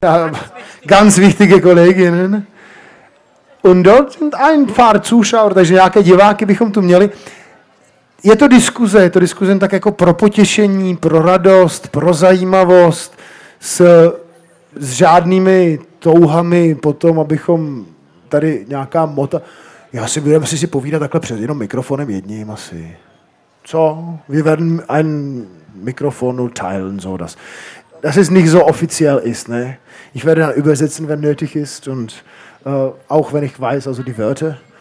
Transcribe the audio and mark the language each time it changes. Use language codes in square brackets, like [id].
[de] Ja, ganz wichtige Kolleginnen. Und dort sind ein paar Zuschauer, [cs] takže nějaké diváky bychom tu měli. Je to diskuze tak jako pro potěšení, pro radost, pro zajímavost, s žádnými touhami potom, abychom tady nějaká mota... Já si budeme si povídat takhle před jenom mikrofonem jedním asi. Co? [de] Wir werden ein Mikrofon teilen, so das. Das ist nicht so offiziell ist, ne? Ich werde dann übersetzen, wenn nötig ist und auch wenn ich weiß, also die Wörter.